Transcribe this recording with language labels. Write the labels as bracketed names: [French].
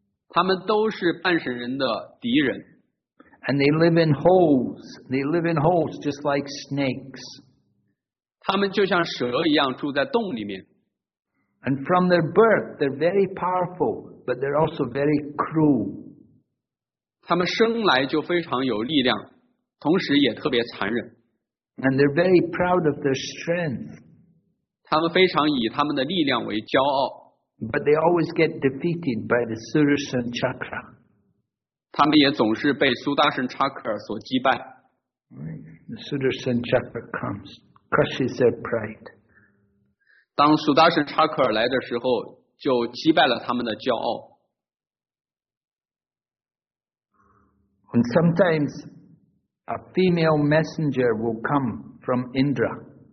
[Chinese] 他们都是半神人的敌人。 [English] And they live in holes. They live in holes just like snakes. [Chinese] 他们就像蛇一样住在洞里面。 [English] And from their birth, they're very powerful, but they're also very cruel. [Chinese] 他们生来就非常有力量，同时也特别残忍。 [English] And they're very proud of their strength. [Chinese] 他们非常以他们的力量为骄傲。 [English] But they always get defeated by the Sudarshan Chakra. [Chinese] 他们也总是被苏达神查克尔所击败。 [English] The Sudarshan Chakra comes, crushes their pride. [Chinese] 当苏达神查克尔来的时候，就击败了他们的骄傲。 [English] And sometimes a female messenger will come from Indra.